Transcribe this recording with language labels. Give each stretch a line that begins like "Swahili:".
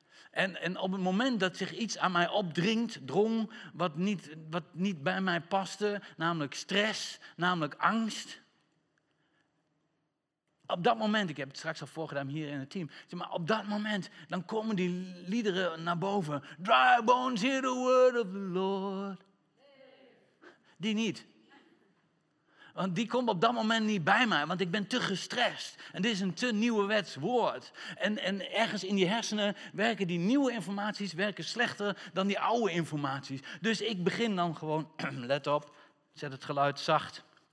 Dutch: En op het moment dat zich iets aan mij opdringt, drong, wat niet bij mij paste, namelijk stress, namelijk angst. Op dat moment, ik heb het straks al voorgedaan hier in het team. Maar op dat moment, dan komen die liederen naar boven.
English: Dry bones hear the word of the Lord.
Dutch: Die niet. Want die komt op dat moment niet bij mij, want ik ben te gestrest. En dit is een te nieuwerwets woord. En ergens in die hersenen werken die nieuwe informaties werken slechter dan die oude informaties. Dus ik begin dan gewoon, let op, zet het geluid zacht.